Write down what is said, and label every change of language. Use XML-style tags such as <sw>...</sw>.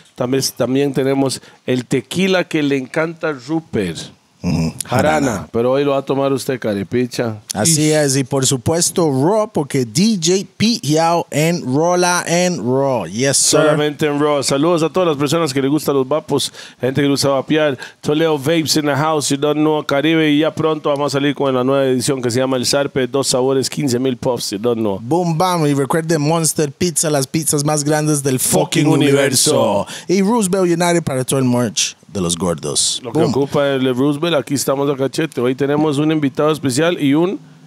<es>También tenemos el tequila que le encanta Rupert. Jarana. Pero hoy lo va a tomar usted, caripicha. Así es, y por supuesto Raw, porque DJ Pete Yao en Rola en Raw.</es> <en>Yes, sir.</en> <es>Solamente en Raw. Saludos a todas las personas que les gustan los vapos, gente que les gusta vapear.</es> <en>Toleo Vapes in the house, you don't know, Caribe.</en> <es>Y ya pronto vamos a salir con la nueva edición que se llama El Sarpe, 2 sabores, 15,000 puffs,</es> <en>you don't know.</en> <es>Boom, bam, y recuerde Monster Pizza, las pizzas más grandes del fucking universo. Y Roosevelt United para todo el merch de los gordos. Lo que ocupa el Roosevelt, aquí estamos a cachete. Hoy tenemos un invitado especial y un</es>